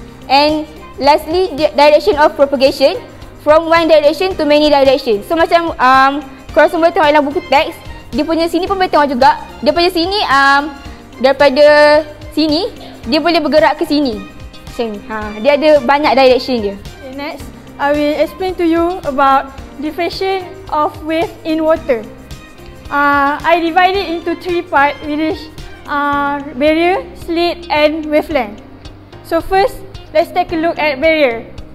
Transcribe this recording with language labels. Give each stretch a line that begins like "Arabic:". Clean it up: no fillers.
English: And lastly, direction of propagation, from one direction to many direction.
Malay: So macam korang semua tengok dalam buku teks, dia punya sini pun boleh tengok juga. Dia punya sini, daripada sini dia boleh bergerak ke sini. Macam ni, dia ada banyak direction dia.
English: Okay, next, I will explain to you about diffraction of wave in water. I divide it into three parts, which is barrier, slit and wavelength. So first, let's take a look at barrier.